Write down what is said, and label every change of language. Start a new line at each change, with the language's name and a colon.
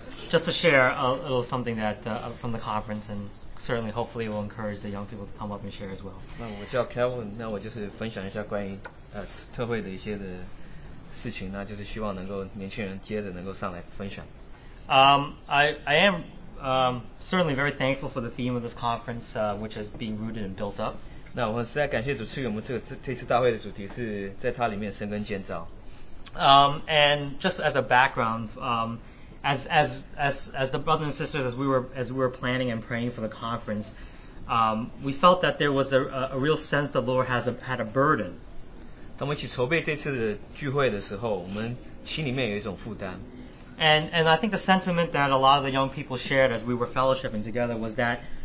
English: Just to share a little something that from the conference, and certainly, hopefully, will encourage the young people to come up and share as well.
Chinese: 那我叫 Kelvin， 那我就是分享一下关于特会的一些的事情，那就是希望能够年轻人接着能够上来分享。
English: I am certainly very thankful for the theme of this conference, which is being rooted and built up.
Chinese: 那我们实在感谢主赐给我们这次大会的主题是在它里面生根建造。
English: And just as a background, as the brothers and sisters as we were planning and praying for the conference, we felt that there was a real sense the Lord had a burden.
Chinese: 当我们一起筹备这次的聚会的时候，我们心里面有一种负担。
English: And I think the sentiment that a lot of the young people shared as we were fellowshipping together was that.